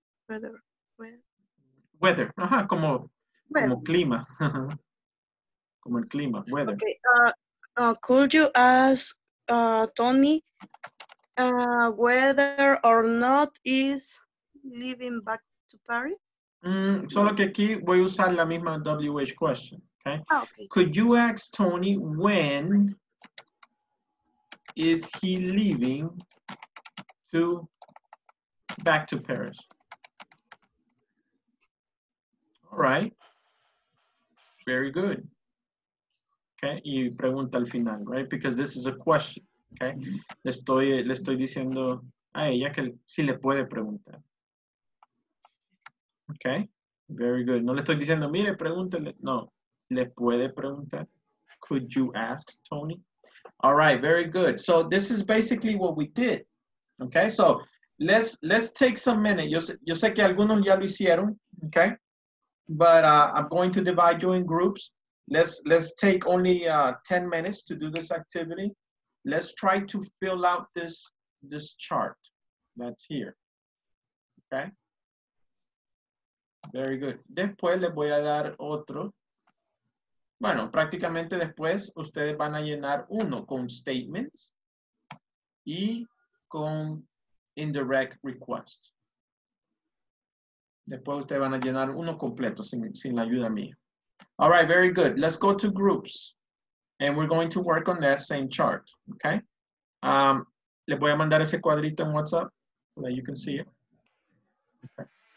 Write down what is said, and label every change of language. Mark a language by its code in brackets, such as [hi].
[en] Weather. [es] Ajá, como clima. Como el clima. Weather. [en] Okay. Could you ask Tony, whether or not is leaving back to Paris? [es] Solo que aquí voy a usar la misma WH question. [en] Okay? Oh, okay. Could you ask Tony when is he leaving back to Paris? All right. Very good. Okay. [es] Y pregunta al final, [en] right? Because this is a question. [es] Okay, le estoy diciendo a ella que si le puede preguntar. [en] Okay, very good. [es] No le estoy diciendo, mire, pregúntele. No, le puede preguntar. [en] could you ask Tony? All right, very good. So this is basically what we did. Okay, so let's take some minutes. [es] Yo sé que algunos ya lo hicieron, okay? [en] But I'm going to divide you in groups. Let's take only 10 minutes to do this activity. Let's try to fill out this chart that's here, okay? Very good. [es] Después les voy a dar otro. Bueno, prácticamente después ustedes van a llenar uno con statements y con indirect requests. Después ustedes van a llenar uno completo sin la ayuda mía. [en] All right, very good. Let's go to groups. And we're going to work on that same chart, okay? [es] Le voy a mandar ese cuadrito en WhatsApp [en] so that you can see it. [es] Okay.